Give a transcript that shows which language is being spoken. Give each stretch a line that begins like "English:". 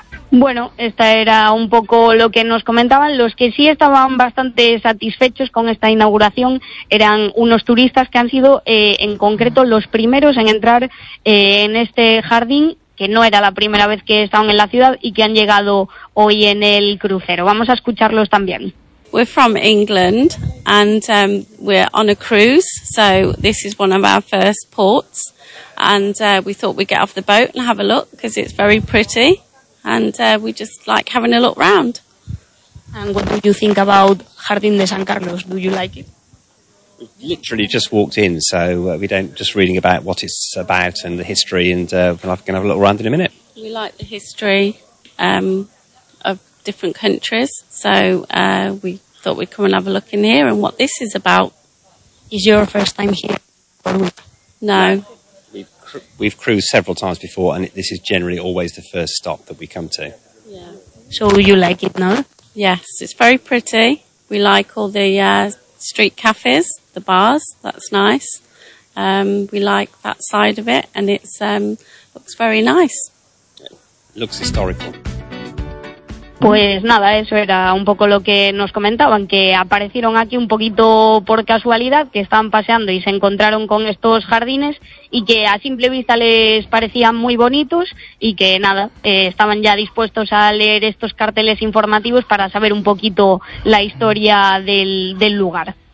Spanish: Bueno, esta era un poco lo que nos comentaban. Los que sí estaban bastante satisfechos con esta inauguración eran unos turistas que han sido, en concreto, los primeros en entrar en este jardín, que no era la primera vez que estaban en la ciudad y que han llegado hoy en el crucero. Vamos a escucharlos también.
English: We're from England and we're on a cruise, so this is one of our first ports, and we thought we'd get off the boat and have a look because it's very pretty. And we just like having a look round. And what do you think about Jardín de San Carlos? Do you like it? Literally just walked in, so we don't just reading about what it's about and the history, and we're going to have a little round in a minute. We like the history of different countries, so we thought we'd come and have a look in here and what this is about. Is your first time here? No. We've cruised several times before, and this is generally always the first stop that we come to. Yeah. So you like it now? Yes, it's very pretty. We like all the street cafes, the bars. That's nice. We like that side of it, and it's looks very nice. It looks historical.
Spanish: Pues nada, eso era un poco lo que nos comentaban, que aparecieron aquí un poquito por casualidad, que estaban paseando y se encontraron con estos jardines y que a simple vista les parecían muy bonitos y que nada, estaban ya dispuestos a leer estos carteles informativos para saber un poquito la historia del lugar.